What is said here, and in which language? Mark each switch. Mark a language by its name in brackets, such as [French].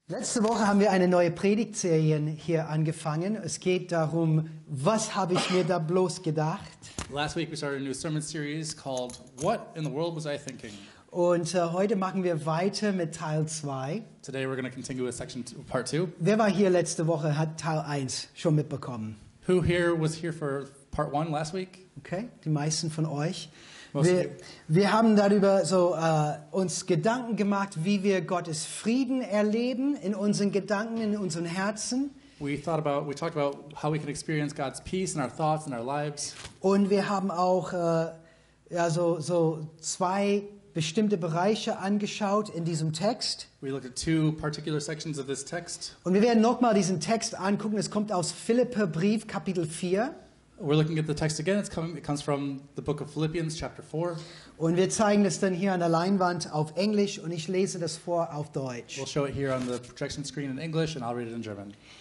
[German] Letzte Woche haben wir eine neue Predigtserie hier angefangen. Es geht darum, was habe ich mir da bloß gedacht? [English] Last week we started a new sermon series called What in the World Was I Thinking? [German] Und heute machen wir weiter mit Teil 2. [English] Today we're going to continue with section two, part 2. [German] Wer war hier letzte Woche, hat Teil 1 schon mitbekommen? [English] Who here was here for part 1 last week? [German] Okay, die meisten von euch. Wir haben darüber so uns Gedanken gemacht, wie wir Gottes Frieden erleben in unseren Gedanken, in unseren Herzen. [English] We talked about how we can experience God's peace in our thoughts and our lives. [German] Und wir haben auch so zwei bestimmte Bereiche angeschaut in diesem Text. [English] We looked at two particular sections of this text. [German] Und wir werden nochmal diesen Text angucken. Es kommt aus Philipperbrief Kapitel 4. [English] We're looking at the text again. It comes from the book of Philippians, chapter 4. [German] Und wir zeigen es dann hier an der Leinwand auf Englisch und ich lese das vor auf Deutsch. [English] We'll show it here on the projection screen in English and I'll read it in German.